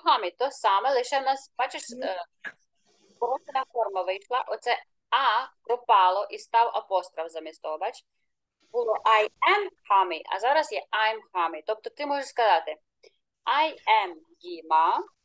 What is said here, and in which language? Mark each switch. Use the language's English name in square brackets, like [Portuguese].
[Ukrainian] Hami, то саме, лише в нас, бачиш, порушена форма вийшла, оце А пропало і став апостроф замість того, бач? Було [English] I am Hami, [Ukrainian] а зараз є [English] I'm Hami. [Ukrainian] Тобто ти можеш сказати [English] I am Dima.